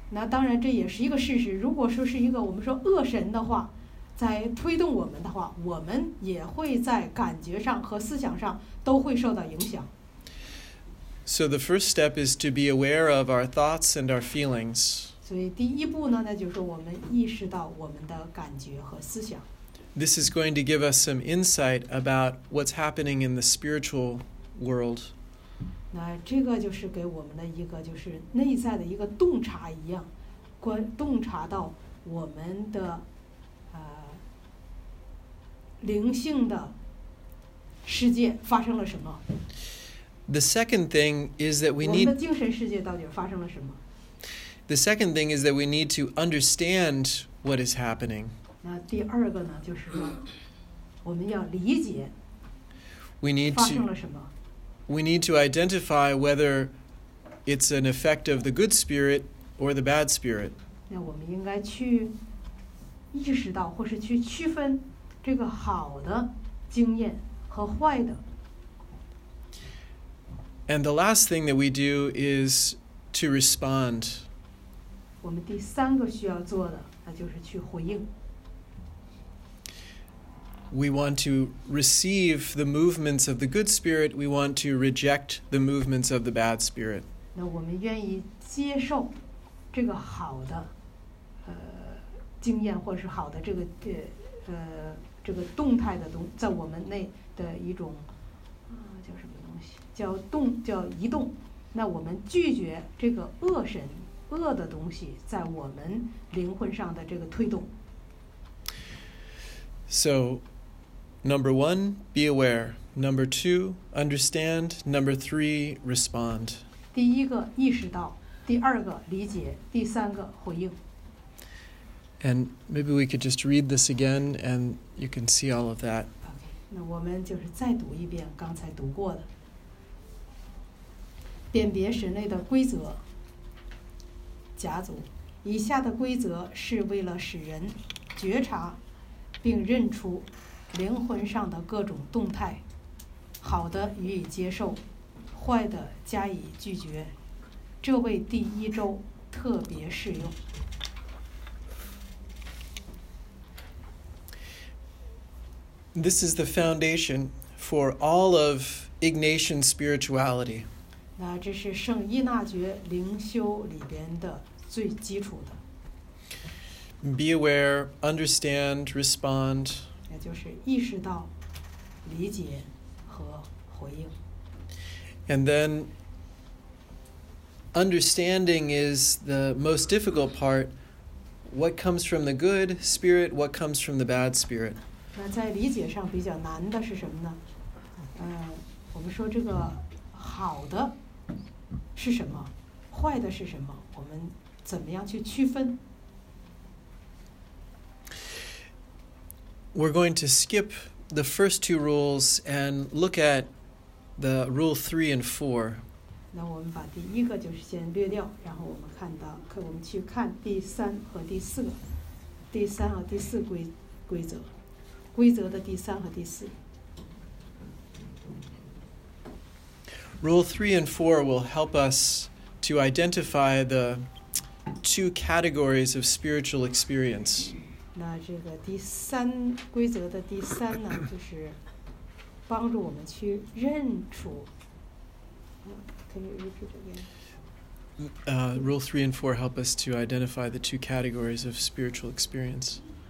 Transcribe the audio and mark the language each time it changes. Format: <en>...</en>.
<zh>那当然这也是一个事实如果说是一个我们说恶神的话在推动我们的话我们也会在感觉上和思想上都会受到影响</zh> <en>So the first step is to be aware of our thoughts and our feelings</en> <zh>所以第一步呢那就是我们意识到我们的感觉和思想</zh> <en>This is going to give us some insight about what's happening in the spiritual world</en> <zh>那这个就是给我们的一个就是内在的一个洞察一样洞察到我们的灵性的世界发生了什么</zh> <en>The second thing is that we need</en> <zh>我们的精神世界到底发生了什么</zh> <en>The second thing is that we need to understand what is happening</en> <zh>那第二个呢就是说我们要理解</zh> <en>We need to</en> <zh>发生了什么</zh> <en>We need to identify whether it's an effect of the good spirit or the bad spirit.</en> <zh>那我们应该去意识到或是去区分这个好的经验和坏的。</zh> <en>And the last thing that we do is to respond.</en> <zh>我们第三个需要做的那就是去回应。</zh> <en>We want to receive the movements of the good spirit. We want to reject the movements of the bad spirit.</en> <zh>那我们愿意接受这个好的经验或是好的这个动态的东在我们内的一种叫什么东西叫动叫移动那我们拒绝这个恶神恶的东西在我们灵魂上的这个推动</zh> <en>So Number one, be aware. Number two, understand. Number three, respond.</en> <zh>第一个意识到，第二个理解，第三个回应。</zh> <en>And maybe we could just read this again, and you can see all of that.</en> <zh>Okay, 那我们就是再读一遍刚才读过的。辨别神类的规则，甲组，以下的规则是为了使人觉察并认出灵魂上的各种动态，好的予以接受，坏的加以拒绝，这为第一周特别适用。</zh> <en>This is the foundation for all of Ignatian spirituality.</en> <zh>那这是圣伊纳爵灵修里边的最基础的。</zh> <en>Be aware, understand, respond.</en> <zh>也就是意识到、理解和回应。</zh> <en>And then, understanding is the most difficult part. What comes from the good spirit? What comes from the bad spirit?</en> <zh>那在理解上比较难的是什么呢？我们说这个好的是什么，坏的是什么？我们怎么样去区分？</zh> <en>We're going to skip the first two rules and look at the rule 3 and 4.</en> <zh>那我们把第一个就是先略掉，然后我们看到，可我们去看第三和第四个，第三和第四规则，规则的第三和第四。</zh> <en>Rule 3 and 4 will help us to identify the two categories of spiritual experience.</en> <zh>那这个第三规则的第三呢，就是帮助我们去认出。</zh> <en>Can you repeat again? Rule 3 and 4 help us to identify the two categories of spiritual experience.</en>